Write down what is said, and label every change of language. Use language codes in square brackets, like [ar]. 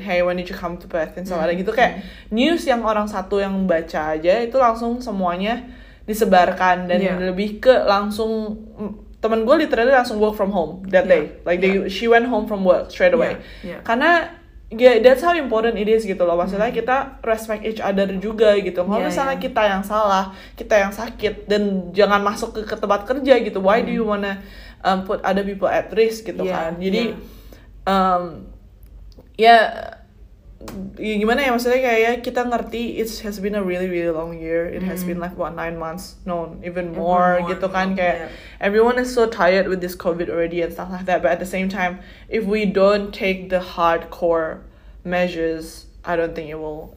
[en] Hey, when did you come to Perth? And so [id] gitu, kayak news yang orang satu yang baca aja itu langsung semuanya disebarkan dan lebih ke langsung temen gue [en] literally [id] langsung [en] work from home that day. Like they, she went home from work straight away. [id] Karena [en] that's how important it is [id] gitu loh. Maksudnya kita [en] respect each other [id] juga gitu. Kalau misalnya kita yang salah, kita yang sakit, dan jangan masuk ke tempat kerja gitu. [en] Why do you wanna put other people at risk [id] gitu kan? Jadi ya gimana ya, maksudnya kayak kita ngerti [en] it has been a really really long year. It has been like what, 9 months? No, even more, [id] gitu kan. Kayak [en] everyone is so tired with this COVID already and stuff like that. But at the same time, if we don't take the hardcore measures, I don't think it will